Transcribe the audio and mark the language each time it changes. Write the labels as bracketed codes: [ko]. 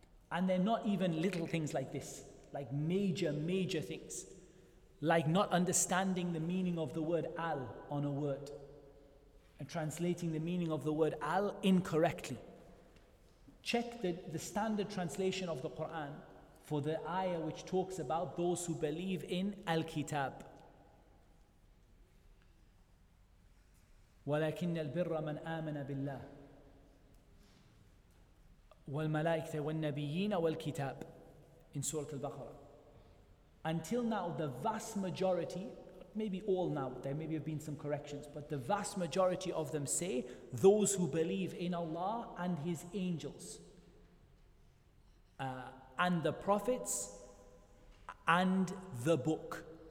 [en] And they're not even little things like this, like major, major things, like not understanding the meaning of the word al on a word, and translating the meaning of the word al incorrectly. Check the standard translation of the Quran for the ayah which talks about those who believe in al-kitab. [ar] وَلَكِنَّ الْبِرَّ مَنْ آمَنَ بِاللَّهِ وَالْمَلَائِكَةَ وَالنَّبِيِّينَ وَالْكِتَابِ [en] in Surah Al-Baqarah. Until now, the vast majority, maybe all now, there maybe have been some corrections, but the vast majority of them say, those who believe in Allah and His angels, and the prophets, and the book.